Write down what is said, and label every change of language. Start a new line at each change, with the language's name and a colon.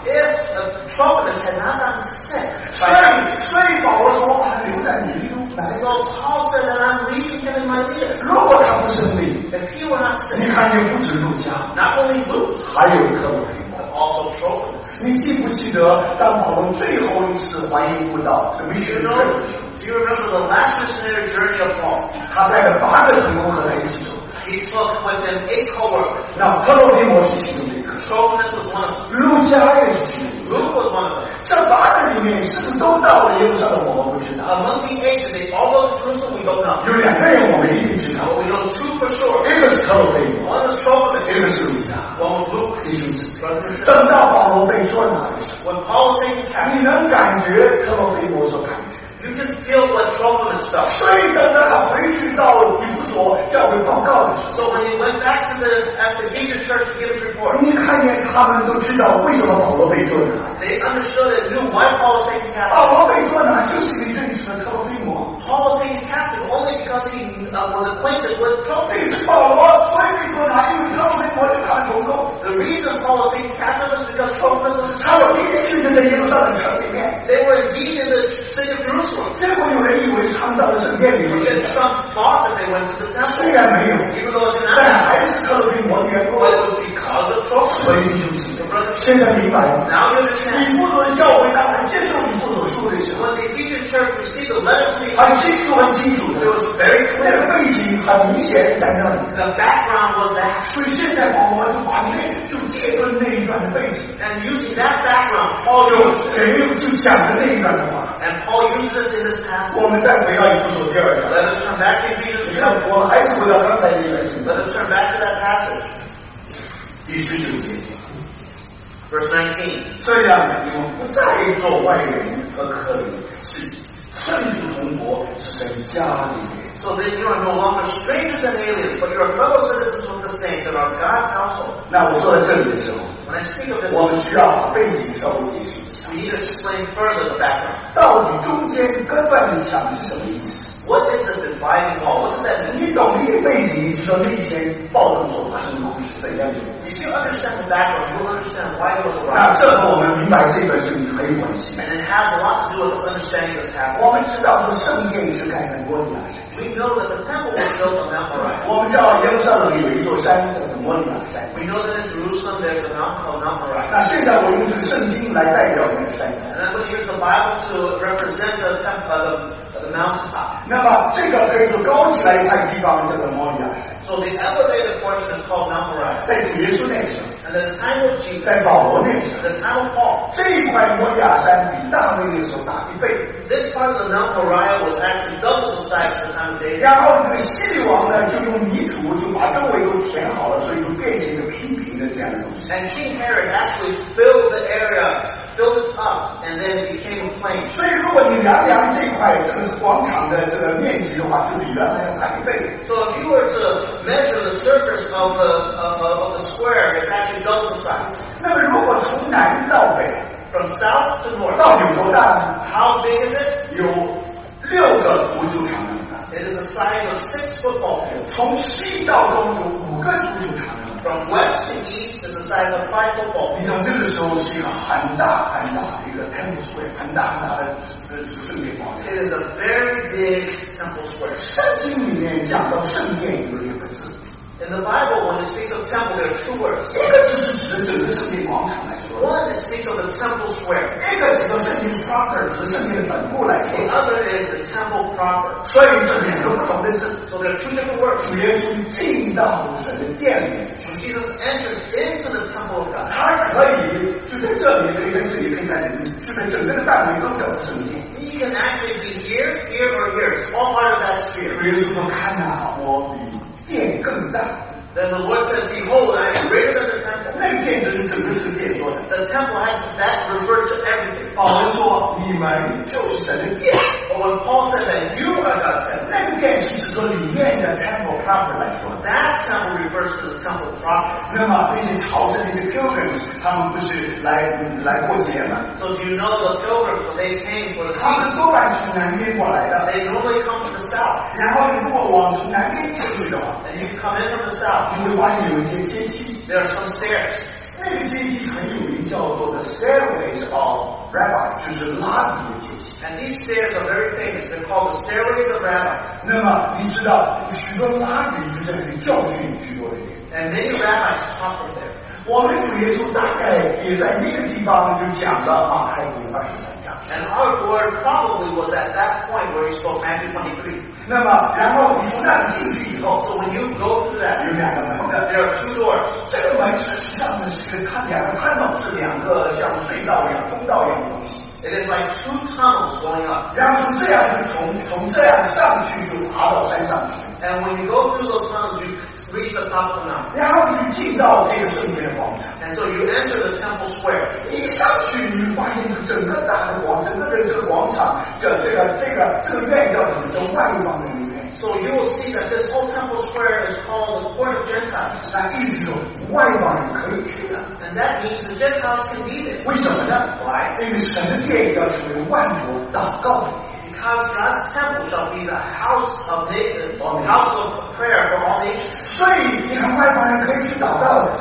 English: if the Trophimus had not gotten sick,
Chinese: 所以保罗说我还留在你里面。
English: So Paul said that I'm leaving him in my ears.
Chinese: 如果他不生病，
English: if he were not sick,
Chinese: 你看又不止路加，
English: not only Luke,
Chinese: 还有克洛菲摩，
English: also Trophimus。
Chinese: 你记不记得当保罗最后一次怀疑不到什么学生？
English: Do you remember the last missionary journey of Paul?
Chinese: 他带了八个同工和他一起走。
English: He took with him 8 co-workers.
Chinese: 那克洛菲摩是其中一个。
English: Trophimus was one of them.
Chinese: 路加也是其中。
English: Luke was one of them.
Chinese: 这八个里面是不是都到了耶路撒冷？我们不知道。
English: Among the eight, they all go to Jerusalem. We don't know.
Chinese: 有两个人我们一定知道。
English: We know two for sure.
Chinese: 一个是克洛菲摩。
English: One is Trophimus.
Chinese: 一个是路加。
English: One was Luke.
Chinese: 弟兄姊妹，等到保罗被捉拿的时候，
English: When Paul was taken captive,
Chinese: 你能感觉克洛菲摩所感觉。
English: You can feel what trouble is about.
Chinese: 所以等到他回去到比如说教会报告的时候，
English: So when he went back to the Ephesian church to give his report,
Chinese: 你看见他们都知道为什么保罗被捉拿。
English: They understood that knew why Paul was taken captive.
Chinese: 保罗被捉拿就是因为认识了克洛菲摩。
English: Paul was taken captive only because he was acquainted with Trophimus.
Chinese: 保罗所以被捉拿，因为克洛菲摩是他的同工。
English: The reason Paul was taken captive is because Trophimus was.
Chinese: 他们的确就在耶路撒冷城里面。
English: They were indeed in the city of Jerusalem.
Chinese: 结果有人以为他们到了圣殿里面去了。
English: Some thought that they went to the temple.
Chinese: 虽然没有，但还是克洛菲摩的缘故。
English: It was because of Trophimus.
Chinese: 所以弟兄姊妹，现在明白了。
English: Now you understand.
Chinese: 以弗所的教会当然接受以弗所书的时候，
English: When the Ephesian church received the letter from him,
Chinese: 很清楚，很清楚。
English: It was very clear.
Chinese: 那个背景很明显在那里。
English: The background was that.
Chinese: 所以现在我们把那就切断那一段的背景。
English: And using that background, Paul
Chinese: 就讲的那一段的话。
English: And Paul uses it in his passage.
Chinese: 我们再回到以弗所第二章。
English: Let us turn back to Ephesians.
Chinese: 你看，我们还是回到刚才那一段经。
English: Let us turn back to that passage.
Chinese: 第十九节。
English: Verse 19.
Chinese: 这样，你们不再做外人和客旅，是圣徒同国，是神家里。
English: So then you are no longer strangers and aliens, but you are fellow citizens with the saints and are God's household.
Chinese: 那我说到这里的时候，
English: When I speak of this,
Chinese: 我们需要把背景稍微解释。
English: We need to explain further the background.
Chinese: 到底中间根本上是什么意思？
English: What is the dividing wall? What does that mean?
Chinese: 你懂那个背景，知道那些暴动所发生的故事怎样的？
English: If you understand the background, you will understand why it was right.
Chinese: 那这和我们明白这本圣经很有关系。
English: And it has a lot to do with understanding this passage.
Chinese: 我们知道说圣殿是盖在摩利亚山。
English: We know that the temple was built on Mount Moriah.
Chinese: 我们知道耶路撒冷有一座山叫做摩利亚山。
English: We know that in Jerusalem there's a mountain called Mount Moriah.
Chinese: 那现在我用这个圣经来代表那个山。
English: And I'm going to use the Bible to represent the temple, the mountaintop.
Chinese: 那么这个可以说高起来一块地方叫做摩利亚山。
English: So the elevated portion is called Mount Moriah.
Chinese: 在主耶稣那时候。
English: And the time of Jesus.
Chinese: 在保罗那时候。
English: The time of Paul.
Chinese: 这一块摩利亚山比大卫那时候大一倍。
English: This part of the Mount Moriah was actually double the size of the time of David.
Chinese: 然后那个西律王呢，就用泥土就把周围都填好了，所以就变成一个平平的这样的东西。
English: And King Herod actually filled the area, filled it up, and then became a plain.
Chinese: 所以如果你量量这块这个广场的这个面积的话，就比原来要大一倍。
English: So if you were to measure the surface of the square, it's actually double the size.
Chinese: 那么如果从南到北。
English: From south to north.
Chinese: 到底有多大？
English: How big is it?
Chinese: 有六个足球场那么大。
English: It is the size of 6 football fields.
Chinese: 从西到东有五个足球场那么大。
English: From west to east is the size of 5 football fields.
Chinese: 你懂这个时候是一个很大很大的一个
English: temple square,
Chinese: 很大很大的圣殿广场。
English: It is a very big temple square.
Chinese: 圣经里面讲到圣殿有一个字。
English: In the Bible, when it speaks of temple, there are two words.
Chinese: 一个就是指的整个圣殿广场来说。
English: One it speaks of the temple square.
Chinese: 一个指的圣殿 proper 指圣殿本部来说。
English: The other is the temple proper.
Chinese: 所以这两个不同的字。
English: So there are two different words.
Chinese: 主耶稣进到神的殿里。
English: So Jesus entered into the temple of God.
Chinese: 他可以就在这里，可以在这里，可以在里面，就在整个的范围都叫圣殿。
English: He can actually be here, here, or here. Small part of that sphere.
Chinese: 主耶稣说：“看哪，我比。” 殿更大。
English: Then the Lord said, "Behold, I am greater than the temple."
Chinese: 那个殿就是整个圣殿说的。
English: The temple has that referred to everything.
Chinese: 保罗说：“你们就是神的殿。”
English: But when Paul says that you are God's temple,
Chinese: 那个建筑是里面的
English: temple proper
Chinese: 来说
English: ，that temple refers to the temple proper。
Chinese: 那么那些朝圣那些 pilgrims， 他们不是来过节吗
English: ？So do you know the pilgrims when they came for the？
Chinese: 他们多半是从南边过来的。
English: They normally come from the south。
Chinese: 然后你如果往从南边进去的话
English: ，and you come in from the south，
Chinese: 你会发现有一些阶梯
English: ，there are some stairs。
Chinese: 那个阶梯很有名，叫做
English: the stairways of Rabbi，
Chinese: 就是拉比的阶梯。
English: And these stairs are very famous. They're called the stairways of Rabbi.
Chinese: 那么你知道，许多拉比就在那里教训许多人。
English: And many rabbis taught from there.
Chinese: 我们主耶稣大概也在那个地方就讲了马太福音23章。
English: And our Lord probably was at that point where he spoke Matthew 23.
Chinese: 那么，然后你从那里进去以后
English: ，So when you go through that,
Chinese: 有两个门。
English: There are two doors.
Chinese: 这个门实际上呢是看两个看到是两个像隧道一样、通道一样的东西。
English: It is like two tunnels going up.
Chinese: 然后从这样就从这样上去就爬到山上去。
English: And when you go through those tunnels, you reach the top of the mountain.
Chinese: 然后你就进到这个圣殿的广场。
English: And so you enter the temple square.
Chinese: 一上去你就发现整个大的广整个的这个广场叫这个院叫什么叫万邦的院。
English: So you will see that this whole temple square is called the court of Gentiles.
Chinese: 那意思就外邦人可以去的。
English: And that means the Gentiles can be there.
Chinese: 为什么呢
English: ？Why?
Chinese: 因为神的殿要成为万国祷告的殿。
English: Because God's temple shall be the house of the house of prayer for all nations.
Chinese: 所以你看外邦人可以去祷告的。